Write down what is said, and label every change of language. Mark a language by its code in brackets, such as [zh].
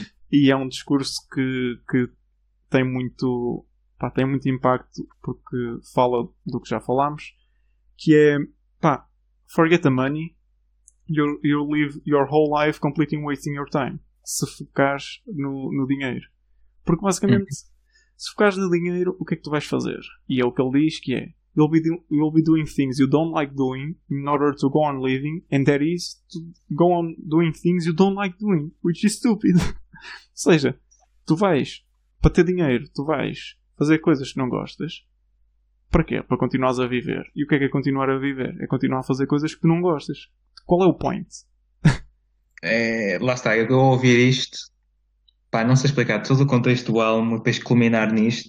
[pt] E é um discurso que tem muito, pá, tem muito impacto, porque fala do que já falámos, que é, pá, [en] forget the money, you live your whole life completely wasting your time, [pt] se focares no dinheiro. Porque basicamente, se focares no dinheiro, o que é que tu vais fazer? E é o que ele diz, que é, [en] you'll be doing things you don't like doing in order to go on living, and that is to go on doing things you don't like doing, which is stupid. [pt] Ou seja, tu vais, para ter dinheiro, tu vais fazer coisas que não gostas. Para quê? Para continuares a viver. E o que é continuar a viver? É continuar a fazer coisas que não gostas. Qual é o point? Lá está, eu vou ouvir isto. Pá, não sei explicar todo o contexto do álbum, depois culminar nisto.